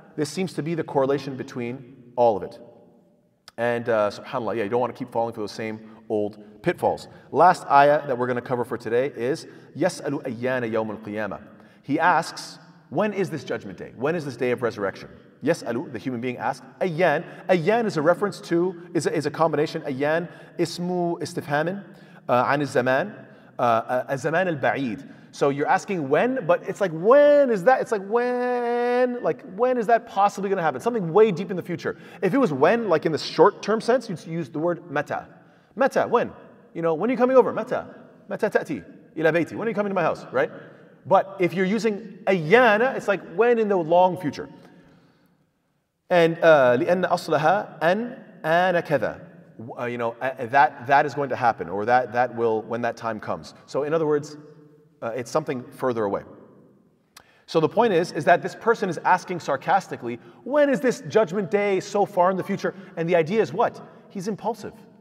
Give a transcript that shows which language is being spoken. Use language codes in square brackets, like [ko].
[en] This seems to be the correlation between all of it. And subhanAllah, yeah, you don't want to keep falling for those same old pitfalls. Last ayah that we're going to cover for today is [ar] يَسْأَلُ أَيَّانَ يَوْمُ الْقِيَامَةِ. [en] He asks, when is this judgment day? When is this day of resurrection? يَسْأَلُ, the human being asks, أَيَّان. أَيَّان is a reference to, is a combination. [ar] أَيَّان, اسمُ استفهامٍ عن الزمان. الزمان البعيد. [en] So you're asking when, but it's like, when is that? It's like, when? Like, when is that possibly going to happen? Something way deep in the future. If it was when, like in the short-term sense, you'd use the word meta. Meta, when? You know, when are you coming over? Meta. [ar] Meta ta'ti ila bayti. [en] When are you coming to my house, right? But if you're using ayana, it's like, when in the long future? [ar] And لِأَنَّ أَصْلَهَا أَنْ أَنَا كَذَا. [en] You know, that is going to happen, or that will, when that time comes. So in other words, it's something further away. So the point is that this person is asking sarcastically, when is this judgment day so far in the future? And the idea is what? He's impulsive.